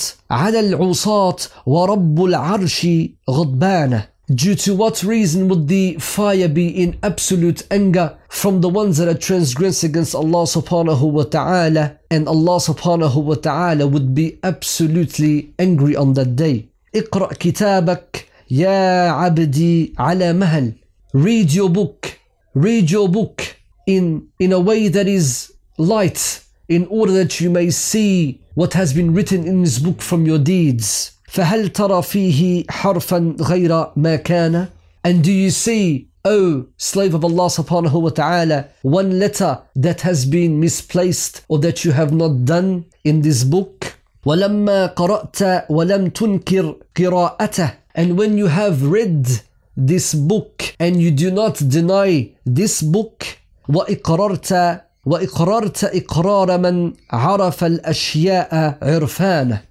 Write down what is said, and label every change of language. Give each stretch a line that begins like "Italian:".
Arabic: على العصات ورب العرش غضبانة.
English: Due to what reason would the fire be in absolute anger from the ones that are transgressed against Allah subhanahu wa ta'ala, and Allah subhanahu wa ta'ala would be absolutely angry on that day.
Arabic: اقرأ كتابك يا عبدي على مهل.
English: Read your book in a way that is light, in order that you may see what has been written in this book from your deeds.
Arabic: فَهَلْ تَرَى فِيهِ حَرْفًا غَيْرَ مَا كَانَ.
English: And do you see Oh, slave of Allah subhanahu wa ta'ala, one letter that has been misplaced or that you have not done in this book.
Arabic: وَلَمَّا قَرَأْتَ وَلَمْ تُنْكِرْ قِرَاءَتَهُ.
English: And when you have read this book and you do not deny this book,
Arabic: وَإِقْرَرْتَ وَإِقْرَرْتَ إِقْرَارَ مَنْ عَرَفَ الْأَشْيَاءَ عِرْفَانَ.